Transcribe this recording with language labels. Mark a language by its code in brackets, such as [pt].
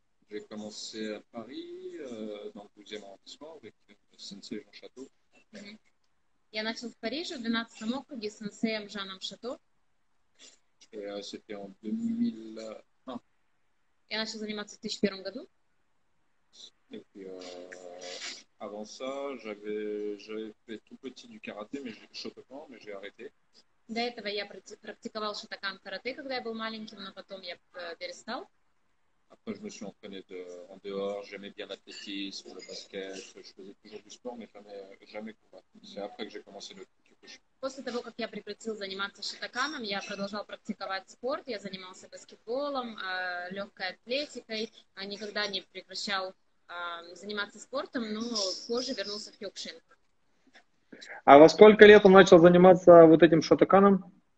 [fr] J'ai commencé à Paris, dans le 12e arrondissement, avec le sensei Jean Château. [ru] Я начал в Париже, в 12-м округе, с сенсеем Жаном Шато. [fr] C'était en 2001. [ru] Я начал заниматься в 2001 году. [fr] Et puis, avant ça, j'avais fait tout petit du karaté, mais j'ai arrêté. [ru] До этого я практиковал шотокан карате, когда я был маленьким, но потом я перестал. [fr] Après, je me suis entraîné en dehors, j'aimais bien l'athlétisme, le basket, je faisais toujours du sport, mais jamais combattu. C'est après que j'ai commencé le kickboxing. [ru] После того, как я прекратил заниматься шатаканом, я продолжал практиковать спорт, я занимался баскетболом, легкой атлетикой, никогда не прекращал заниматься спортом, но позже вернулся в кикбоксинг. А во сколько лет он начал заниматься вот этим шатаканом?